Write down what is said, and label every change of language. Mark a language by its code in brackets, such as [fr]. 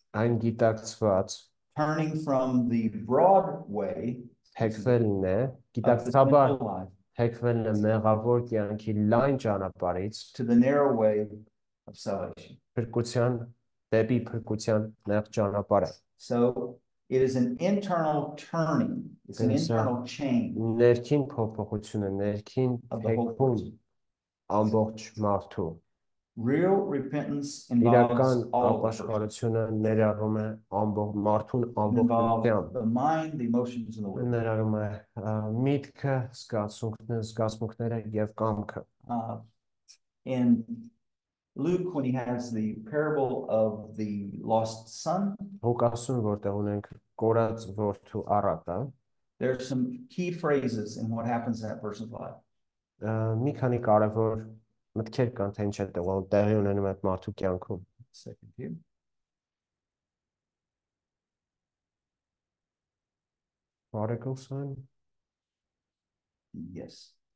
[hy] այն գիտակցված [en] turning from the broad way [hy] թեքվելն է, գիտակցաբար թեքվելն է մեղավոր կյանքի լայն ճանապարից [en] to the narrow way of salvation. [hy] Փրկության դեպի փրկության նեղ ճանապարհը։ [en] So it is an internal turning, it's an internal change. [hy] Ներքին փոփոխությունը, ներքին թեքվում ամբողջ մարդու։ [en] Real repentance involves all [hy] ապաշխարությունը ներառում է ամբողջ մարդուն ամբողջությամբ։ [en] The mind, the emotions and the will. [hy] Ներառում է միտքը, սկզբունքները, եւ կամքը։ [en] And Luke, when he has the parable of the lost son, there are some key phrases in what happens in that person's life. [hy] Մի քանի կարևոր մտքեր կան, թե ինչ է տեղի ունենում այդ մարդու կյանքում։ [en] Second view. Prodigal son? Yes.